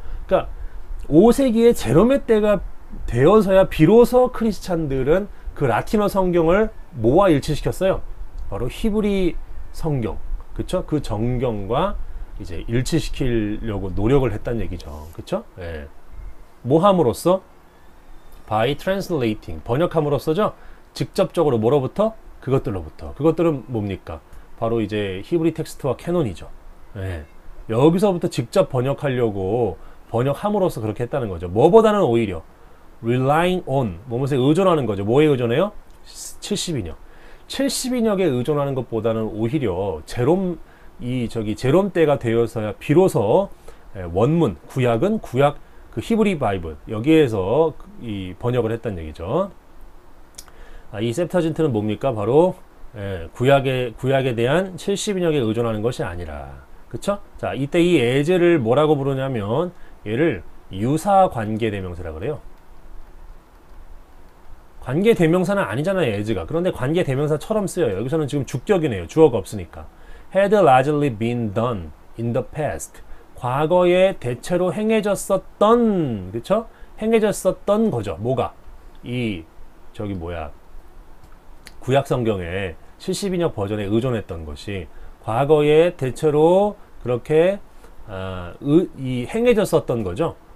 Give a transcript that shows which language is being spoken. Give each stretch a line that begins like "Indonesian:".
Korean: 그러니까 5세기에 제롬의 때가 되어서야 비로소 크리스찬들은 그 라틴어 성경을 뭐와 일치시켰어요? 바로 히브리 성경, 그쵸? 그 정경과 이제 일치시키려고 노력을 했단 얘기죠, 그쵸? 예. 뭐 함으로써?
English: By translating,
Korean: 번역함으로써죠? 직접적으로 뭐로부터? 그것들로부터. 그것들은 뭡니까? 바로 이제 히브리 텍스트와 캐논이죠. 예. 여기서부터 직접 번역하려고 번역함으로써 그렇게 했다는 거죠. 뭐보다는 오히려
English: relying on,
Korean: 무엇에 의존하는 거죠. 뭐에 의존해요? 70인역. 70인역에 의존하는 것보다는 오히려 제롬 때가 되어서야 비로소 원문, 구약은 구약 그 히브리 바이블, 여기에서 이 번역을 했단 얘기죠. 아, 이 셉타진트는 뭡니까? 바로 예, 구약에 대한 70인역에 의존하는 것이 아니라. 그쵸? 자, 이때 이 예제를 뭐라고 부르냐면, 얘를 유사관계대명사라 그래요. 관계 대명사는 아니잖아요, is가. 그런데 관계 대명사처럼 쓰여요. 여기서는 지금 주격이네요. 주어가 없으니까.
English: had largely been done in the past.
Korean: 과거에 대체로 행해졌었던, 그쵸? 행해졌었던 거죠. 뭐가? 저기 뭐야. 구약 성경에 72년 버전에 의존했던 것이 과거에 대체로 그렇게 행해졌었던 거죠.